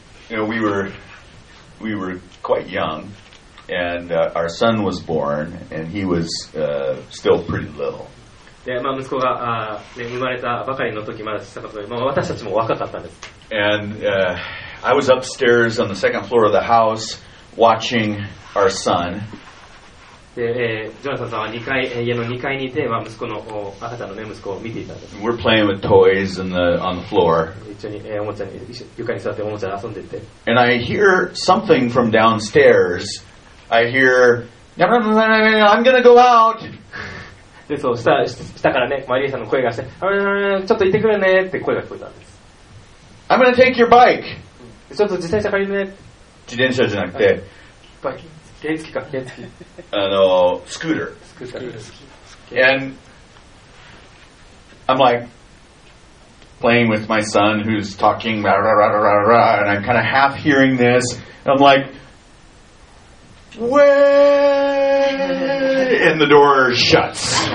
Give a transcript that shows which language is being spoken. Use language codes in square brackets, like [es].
[en] You know, we were quite young, and our son was born, and he was still pretty little. [ja] でまあ、息子が、ね、生まれたばかりの時まだ小さかったので、まあ、私たちも若かったんです。 [en] And, I was upstairs on the second floor of the house watching our son. [ja] で、ジョナサンさんは2階、家の2階にいて、まあ、息子の赤ちゃんの、ね、息子を見ていたんです。 [en] We're playing with toys on the floor. [ja] 一緒に、おもちゃに床に座っておもちゃで遊んでいて。 [en] And I hear something from downstairs. I hear, I'm going to go out! [ja] でそう下からね、マリエさんの声がして、ちょっと行ってくるねって声が聞こえたんです。 [en] I'm gonna take your bike! [ja] ちょっと自転車借りるね。自転車じゃなくて、バイク、原付きか、原付き。スクーター。スクーター。 [en] And I'm like playing with my son who's talking, rah, rah, rah, rah, rah, and I'm kind of half hearing this. I'm like, way! And the door shuts.